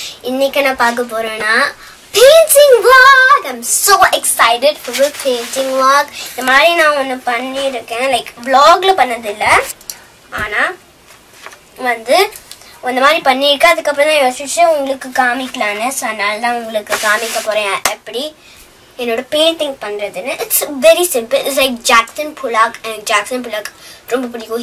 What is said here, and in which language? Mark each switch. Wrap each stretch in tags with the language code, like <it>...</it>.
<ta>இன்னைக்கு நான் பார்க்க போறேன்னா painting vlog.</ta> <en>I'm so excited for a painting vlog.</en> <ta>இந்த மாதிரி நான் ஒன்று பண்ணியிருக்கேன், லைக் vlogல பண்ணதில்லை. ஆனால் வந்து இந்த மாதிரி பண்ணியிருக்கேன், அதுக்கப்புறம் தான் யோசிச்சு உங்களுக்கு காமிக்கலான்னு. ஸோ அதனால தான் உங்களுக்கு காமிக்க போறேன் எப்படி என்னோட பெயிண்டிங் பண்ணுறதுன்னு.</ta> <en>It's very simple. It's like Jackson Pollock. And Jackson Pollock</en> <ta>ரொம்ப பிடிக்கும்.</ta>